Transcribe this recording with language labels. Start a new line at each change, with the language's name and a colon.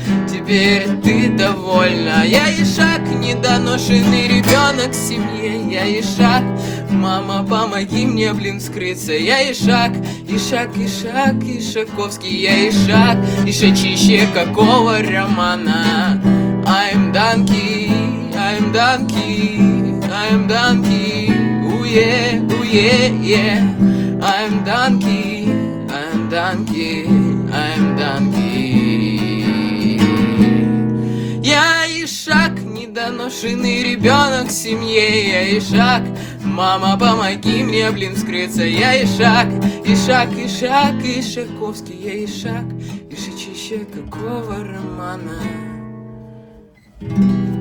Russian: Теперь ты довольна. Я ишак, недоношенный ребенок в семье. Я ишак, мама, помоги мне, блин, скрыться. Я ишак, ишак, ишак, ишаковский. Я ишак, ишачище, какого романа.
English: I'm donkey, I'm donkey, I'm donkey. Уе, уе, е. I'm donkey, I'm donkey, I'm donkey.
Russian: Я ишак, недоношенный ребенок в семье. Я ишак, мама, помоги мне, блин, скрыться. Я ишак, ишак, ишак, ишаковский. Я ишак, ишачище, какого романа.